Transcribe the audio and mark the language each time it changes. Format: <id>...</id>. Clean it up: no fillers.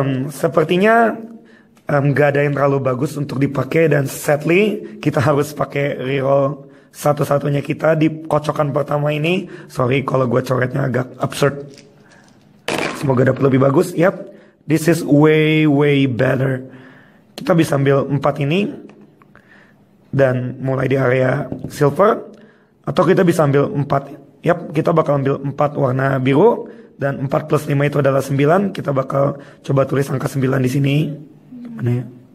<id>Sepertinya gak ada yang terlalu bagus untuk dipakai, dan sadly kita harus pakai reroll satu-satunya kita di kocokan pertama ini. Sorry kalau gue coretnya agak absurd. Semoga dapat lebih bagus.</id> <en>Yep, this is way way better.</en> <id>Kita bisa ambil 4 ini dan mulai di area silver, atau kita bisa ambil 4. Yap, kita bakal ambil 4 warna biru, dan 4 plus 5 itu adalah 9. Kita bakal coba tulis angka 9 di sini. Gimana ya?</id>